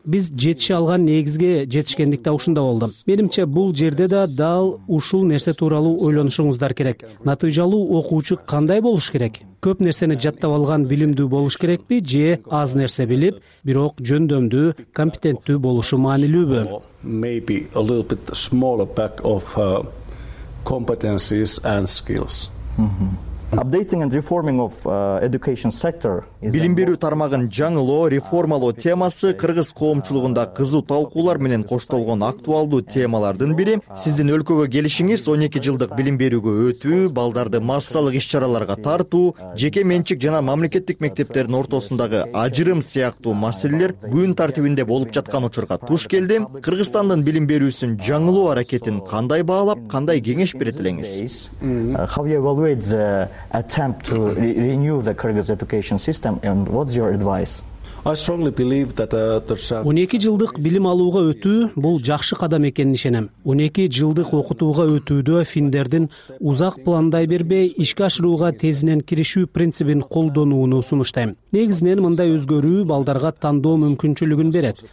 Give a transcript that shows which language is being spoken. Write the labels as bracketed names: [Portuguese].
[Kyrgyz] Биз жетише алган негизге жетишкендикте ушунда болду. Менимче, бул жерде да дал ушул нерсе тууралуу ойлонушуңуздар керек. Натыйжалуу окуучу кандай болуш керек? Көп нерсени жаттап алган билимдүү болуш керекпи же аз нерсе билип, бирок жөндөмдүү, компетенттүү болушу маанилүүбү? [English] Maybe a little bit smaller pack of competencies and skills. Updating and reforming of education sector is [Kyrgyz] билим берүү тармагын жаңылоо, реформалоо темасы кыргыз коомчулугунда кызуу талкуулар менен коштолгон актуалдуу темалардын бири. Сиздин өлкөгө келишиңиз 12 жылдык билим берүүгө өтүү, балдарды массалык иш-чараларга тартуу, жеке менчик жана мамлекеттик мектептердин ортосундагы ажырым сыяктуу маселелер күн тартибинде болуп жаткан учурга туш келди. Кыргызстандын билим берүүсүн жаңылоо аракетин кандай баалап, кандай кеңеш берет элеңиз? [English] Attempt to renew the Kyrgyz education system, and what's your advice? I strongly believe that [Kyrgyz] 12 жылдык билим алууга өтүү бул жакшы кадам экенин ишенем. 12 жылдык окутууга өтүүдө финдердин узак пландай бербей, ишке ашырууга тезинен киришүү принцибин колдонууну сунуштайм. Негизинен мындай өзгөрүү балдарга тандоо мүмкүнчүлүгүн берет.